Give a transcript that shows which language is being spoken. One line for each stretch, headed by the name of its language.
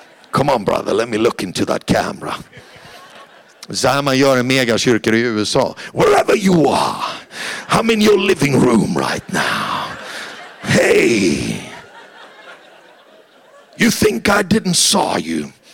English: Come on brother, let me look into that camera.
Swedish: Så här man gör en megakyrka i USA.
English: Wherever you are, I'm in your living room right now. Hey. You think I didn't saw you.